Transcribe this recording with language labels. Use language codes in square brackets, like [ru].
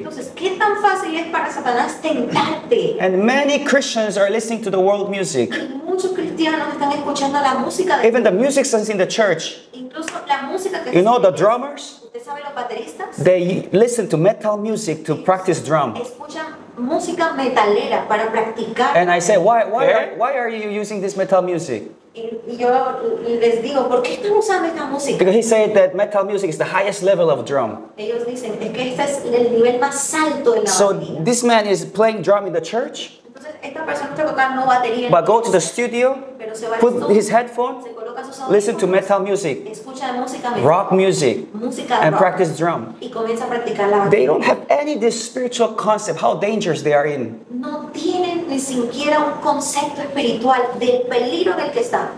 [es] Entonces, ¿qué tan fácil es para Satanás tentarte? [en] And many Christians are listening to the world music. [es] Y muchos cristianos están escuchando la música de [en] even the music that's in the church. [es] Incluso la música que [en] you know the drummers? [es] ¿Usted sabe los bateristas? [en] They listen to metal music to practice drum. [es] Escuchan música metalera para practicar. [en] And I say, why are you using this metal music? [es] Y yo les digo, ¿por qué están usando esta música? [en] Because he said that metal music is the highest level of drum. [es] Ellos dicen, es que este es el nivel más alto de la [en] so [es] batería. [en] This man is playing drum in the church. [es] Entonces, esta persona está tocando batería. [en] But go to the studio, [es] pero se va [en] put [es] estudio, [en] his headphone, [es] se coloca sus audífonos, [en] listen to metal music, [es] escucha música [en] metal, rock music, [es] música [en] and [es] rock, [en] practice drum. [es] Y comienza a practicar la batería. [en] They don't have any this spiritual concept, how dangerous they are in. [es] No tienen ni siquiera un concepto espiritual del peligro del que están.